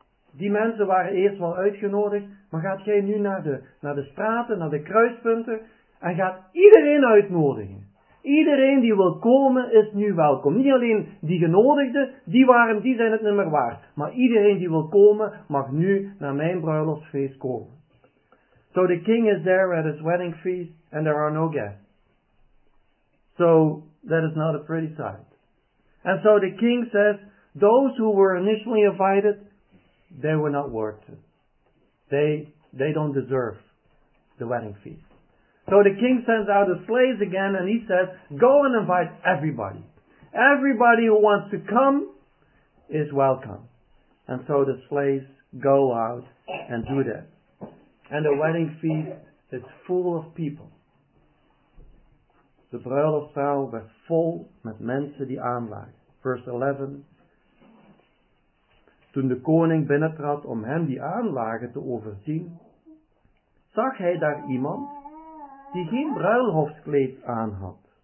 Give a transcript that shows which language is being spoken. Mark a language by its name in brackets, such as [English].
[Dutch] Die mensen waren eerst wel uitgenodigd, maar gaat jij nu naar de straten, naar de kruispunten, en gaat iedereen uitnodigen. Iedereen die wil komen is nu welkom. Niet alleen die genodigden, die zijn het niet meer waard. Maar iedereen die wil komen, mag nu naar mijn bruiloftsfeest komen. [English] So the king is there at his wedding feast and there are no guests. So that is not a pretty sight. And so the king says, those who were initially invited, they were not worth it. They don't deserve the wedding feast. So the king sends out the slaves again and he says, go and invite everybody. Everybody who wants to come is welcome. And so the slaves go out and do that. And the wedding feast is full of people. The [Dutch] bruiloftzaal [English] was full [Dutch] met mensen die aanlagen. [English] Verse 11. [Dutch] Toen de koning binnentrad om hem die aanlagen te overzien, zag hij daar iemand die geen bruiloftskleed aan had.